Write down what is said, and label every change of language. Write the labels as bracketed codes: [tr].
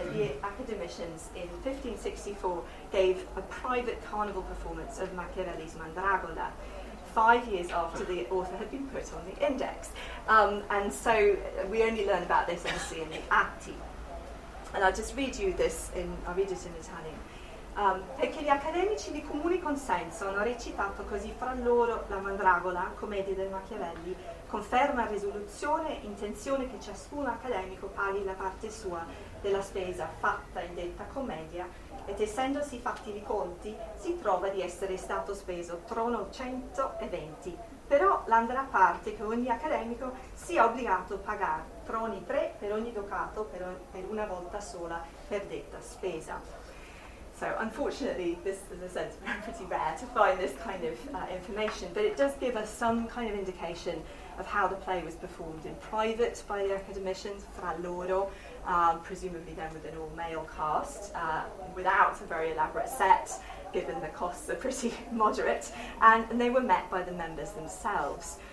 [en] The academicians in 1564 gave a private carnival performance of Machiavelli's Mandragora, 5 years after the author had been put on the index. And so we only learn about this, obviously, in the Atti. And I'll just read you this, I'll read it in Italian. [it] Perché gli accademici di comune consenso hanno recitato così fra loro la Mandragola, commedia del Machiavelli, conferma risoluzione e intenzione che ciascun accademico paghi la parte sua della spesa fatta in detta commedia, ed essendosi fatti i conti, si trova di essere stato speso trono 120, però l'andrà a parte che ogni accademico sia obbligato a pagare troni 3 per ogni ducato per una volta sola per detta spesa. [en] So unfortunately, this, as I said, is pretty rare to find this kind of information, but it does give us some kind of indication of how the play was performed in private by the academicians, [it] fra loro, [en] presumably then with an all-male cast, without a very elaborate set, given the costs are pretty moderate, and they were met by the members themselves.